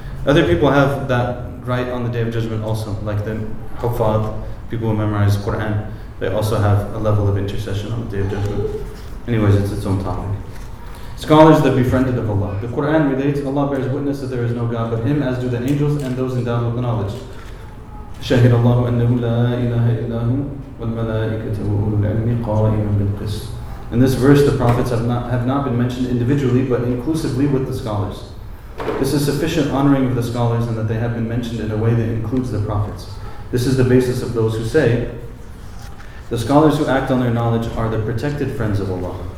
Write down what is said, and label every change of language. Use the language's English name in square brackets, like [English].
[English] Other people have that right on the day of judgment also, like the Hufad, people who memorize the Quran, they also have a level of intercession on the day of judgment. Anyways, it's its own topic. Scholars that befriended of Allah. The Quran relates, "Allah bears witness that there is no God but Him, as do the angels and those endowed with knowledge." [Arabic] شهد الله أنه لا إله إلا هو والملائكة وأولو العلم قائما بالقص. [English] In this verse, the prophets have not been mentioned individually, but inclusively with the scholars. This is sufficient honoring of the scholars, and that they have been mentioned in a way that includes the prophets. This is the basis of those who say, "The scholars who act on their knowledge are the protected friends of Allah."